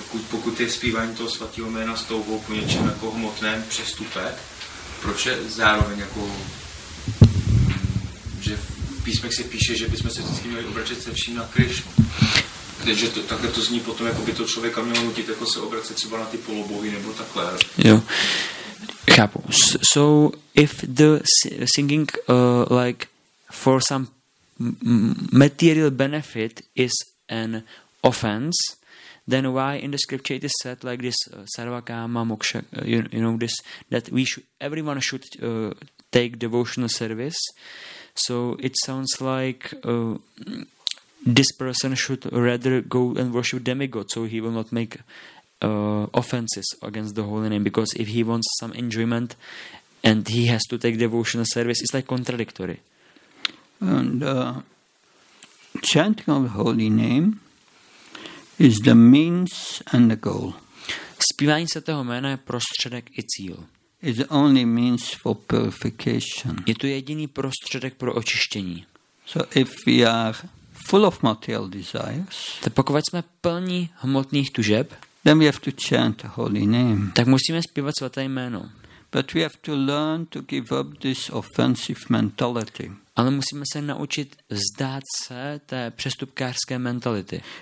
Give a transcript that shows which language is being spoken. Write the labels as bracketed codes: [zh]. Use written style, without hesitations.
[cs] Pokud je zpívání toho svatého jména s touhou po něčem jako hmotném přestupek, proč je zároveň jako, že v písmech se píše, že bychom se vždycky měli obracet se vším na Krišnu. Takže to, takhle to zní potom, jako by to člověka mělo nutit jako se obracet třeba na ty polobohy nebo takhle. Jo. Chápu. [en] So if the singing like for some material benefit is an offense, then why in the scripture it is said like this, sarvakama moksha, you know this, that we should, everyone should take devotional service. So it sounds like this person should rather go and worship demigod, so he will not make offenses against the holy name, because if he wants some enjoyment and he has to take devotional service, it's like contradictory. And chanting of the holy name is the means and the goal. [cs] Zpívání se toho jména je prostředek i cíl. [en] It's the only means for purification. [cs] Je to jediný prostředek pro očištění. [en] So if we are full of material desires, [cs] tak pokud jsme plní hmotných tužeb, [en] then we have to chant the holy name. [cs] Tak musíme zpívat svaté jméno. [en] But we have to learn to give up this offensive mentality. [cs] Ale musíme se naučit vzdát se té přestupkářské mentality.